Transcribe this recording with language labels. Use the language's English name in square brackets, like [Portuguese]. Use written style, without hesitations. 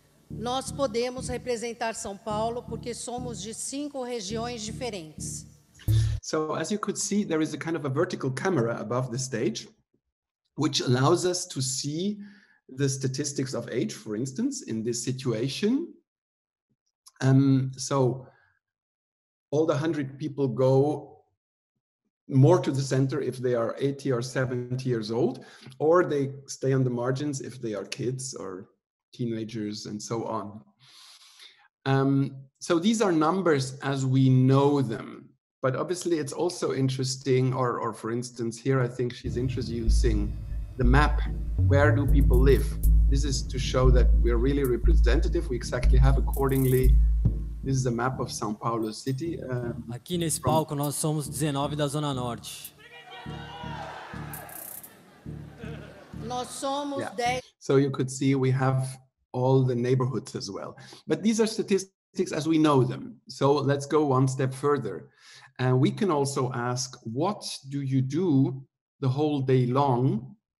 [Portuguese] Nós podemos representar São Paulo porque somos de 5 regiões diferentes. [English] So as you could see, there is a kind of a vertical camera above the stage, which allows us to see the statistics of age, for instance, in this situation. So all the 100 people go more to the center if they are 80 or 70 years old, or they stay on the margins if they are kids or teenagers and so on. So these are numbers as we know them, but obviously it's also interesting, or for instance here I think she's introducing the map, where do people live. This is to show that we're really representative, we exactly have accordingly. This is a map of São Paulo city. [Portuguese] Aqui nesse palco nós somos 19 da Zona Norte. Nós somos 10. [English] So you could see we have all the neighborhoods as well. But these are statistics as we know them. So let's go one step further. And we can also ask, what do you do the whole day long?